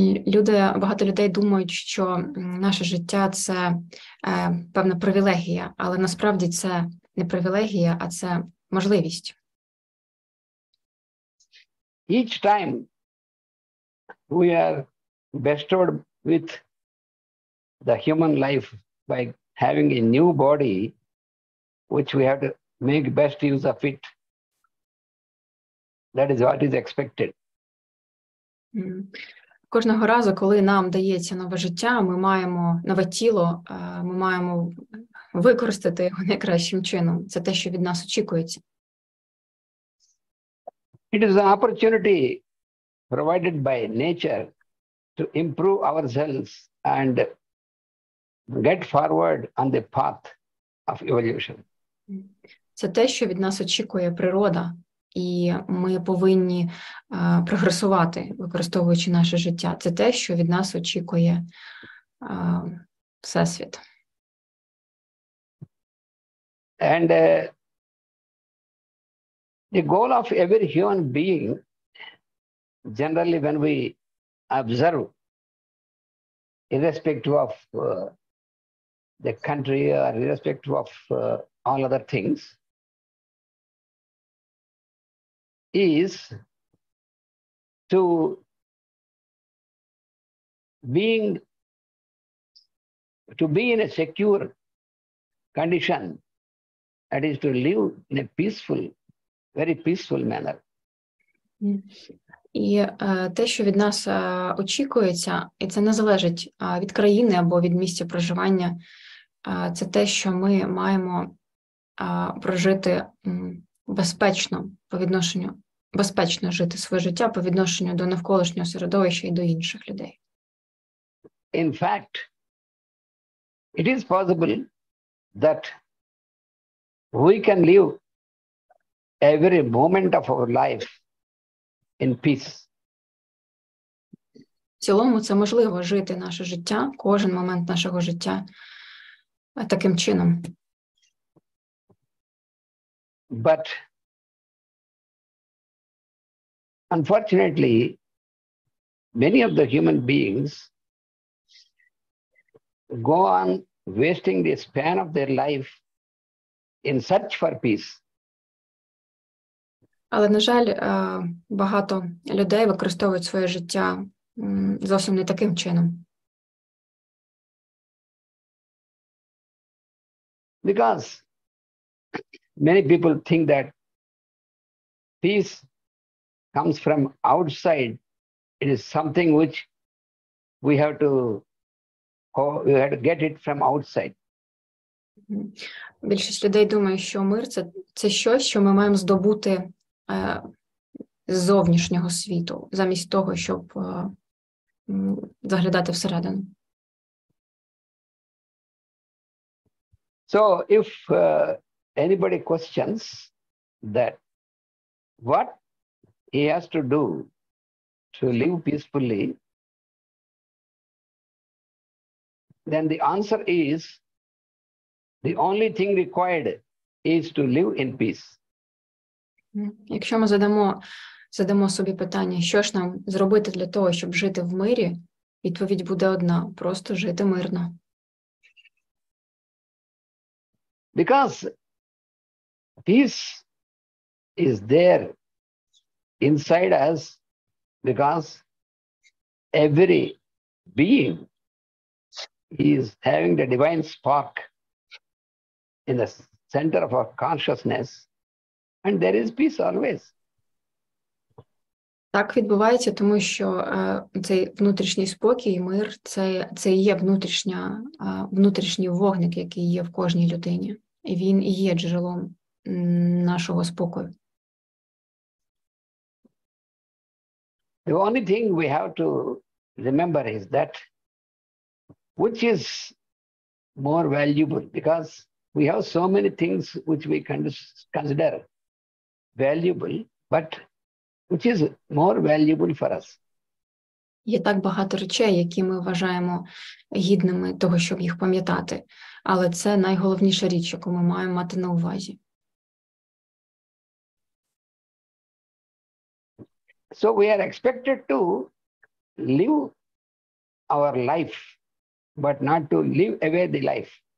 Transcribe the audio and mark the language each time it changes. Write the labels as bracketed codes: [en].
[uk] Люди, багато людей думають, що наше життя – це певна привілегія, але насправді це не привілегія, а це можливість. [en] Each time we are bestowed with the human life by having a new body, which we have to make best use of it, that is what is expected. [uk] Кожного разу, коли нам дається нове життя, ми маємо нове тіло, ми маємо використати його найкращим чином. Це те, що від нас очікується. [en] It is an opportunity provided by nature to improve ourselves and get forward on the path of evolution. [uk] Це те, що від нас очікує природа. І ми повинні прогресувати, використовуючи наше життя. Це те, що від нас очікує Всесвіт. [en] And the goal of every human being, generally when we observe, irrespective of the country or irrespective of all other things, is to being to be in a secure condition, that is to live in a peaceful, very peaceful manner. [uk] І те, що від нас очікується, і це не залежить від країни або від місця проживання, це те, що ми маємо прожити безпечно по відношенню. Безпечно жити своє життя по відношенню до навколишнього середовища і до інших людей. [en] In fact, it is possible that we can live every moment of our life in peace. [uk] В цілому це можливо жити наше життя, кожен момент нашого життя таким чином. [en] But unfortunately, many of the human beings go on wasting the span of their life in search for peace. [uk] Але, на жаль, багато людей використовують своє життя зовсім не таким чином. [en] Because many people think that peace comes from outside, it is something which we have to get it from outside. [uk] Більшість людей думає, що мир – це щось, що ми маємо здобути з зовнішнього світу, замість того, щоб заглядати всередину. [en] So, if anybody questions that, what he has to do to live peacefully, then the answer is, the only thing required is to live in peace. [uk] Якщо ми задамо собі питання, що ж нам зробити для того, щоб жити в мирі, відповідь буде одна – просто жити мирно. [en] Because peace is there inside us, because every being is having the divine spark in the center of our consciousness, and there is peace always. [uk] Так відбувається, тому що цей внутрішній спокій і мир – це і є внутрішній вогник, який є в кожній людині. І він і є джерелом нашого спокою. [en] The only thing we have to remember is that which is more valuable, because we have so many things which we consider valuable, but which is more valuable for us. [uk] Є так багато речей, які ми вважаємо гідними того, щоб їх пам'ятати, але це найголовніша річ, яку ми маємо мати на увазі. [en] So we are expected to live our life, but not to live away the life.